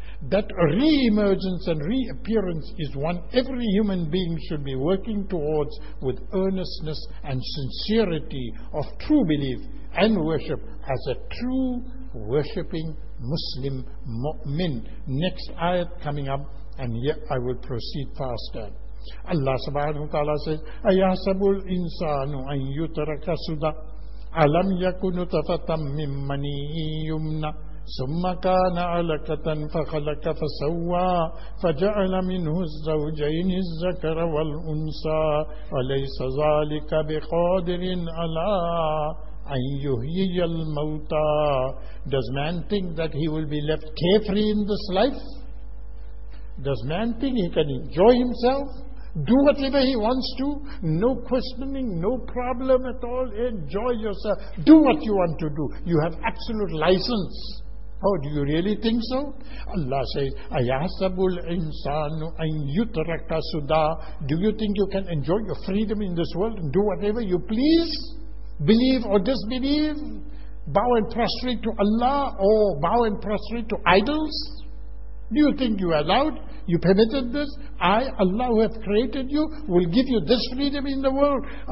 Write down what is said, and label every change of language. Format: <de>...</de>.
<en>That re-emergence and reappearance is one every human being should be working towards with earnestness and sincerity of true belief and worship as a true worshipping Muslim mu'min. Next ayat coming up, and yet I will proceed faster.</en> <ar>Allah subhanahu wa ta'ala says, أَيَحْسَبُ الْإِنسَانُ أَنْ يُتَرَكَ سُدًى أَلَمْ يَكُنُ تَفَتًا مِّمَّنِي يُمْنَى ثم كان علقة فخلق فسوى فجعل منه الزوجين الذكر والأنثى أليس ذلك بقادر على أن يحيي الموتى.</ar> <en>Does man think that he will be left carefree in this life? Does man think he can enjoy himself? Do whatever he wants to, no questioning, no problem at all, enjoy yourself. Do what you want to do. You have absolute license. Oh, do you really think so?</en> <ar>Allah says, أَيَحْسَبُ الْإِنسَانُ أَنْ يُتْرَكَ سُدَى.</ar> <en>Do you think you can enjoy your freedom in this world and do whatever you please? Believe or disbelieve? Bow and prostrate to Allah or bow and prostrate to idols? Do you think you are allowed? You permitted this? I, Allah, who have created you, will give you this freedom in the world?</en>